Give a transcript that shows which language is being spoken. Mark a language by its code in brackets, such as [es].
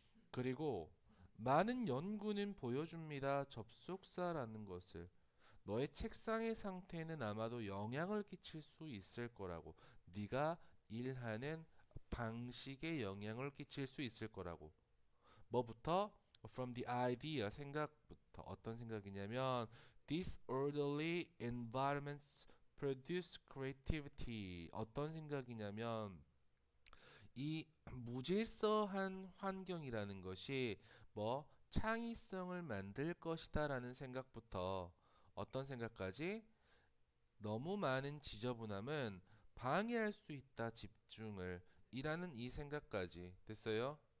[ko] 그리고 많은 연구는 보여줍니다. 접속사라는 것을. 너의 책상의 상태는 아마도 영향을 끼칠 수 있을 거라고. 네가 일하는 방식에 영향을 끼칠 수 있을 거라고. 뭐부터? [en] From the idea, [ko] 생각부터. 어떤 생각이냐면, [en] disorderly environments produce creativity. [ko] 어떤 생각이냐면, 이 무질서한 환경이라는 것이 뭐 창의성을 만들 것이다라는 생각부터 어떤 생각까지 너무 많은 지저분함은 방해할 수 있다 집중을 이라는 이 생각까지 됐어요?